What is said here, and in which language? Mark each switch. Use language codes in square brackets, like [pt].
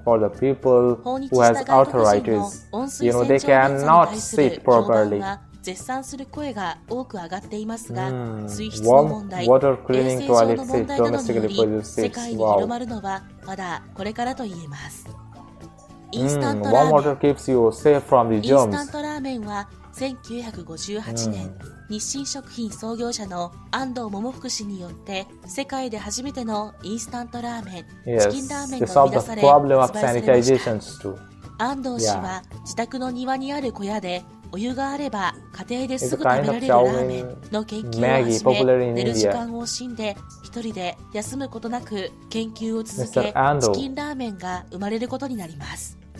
[ja] 訪日した外国人の温水洗浄便座に対する評判が絶賛する声が多く上がっていますが、水質の問題、衛生上の問題などにより世界に広まるのはまだこれからと言えます。 [en] Warm water keeps you safe from the germs. [ja] インスタントラーメンは1958年、日清食品創業者の安藤桃福氏によって世界で初めてのインスタントラーメン、チキンラーメンが生み出され発売されました。安藤氏は自宅の庭にある小屋でお湯があれば家庭ですぐ食べられるラーメンの研究を始め、寝る時間を惜しんで一人で休むことなく研究を続け、チキンラーメンが生まれることになります。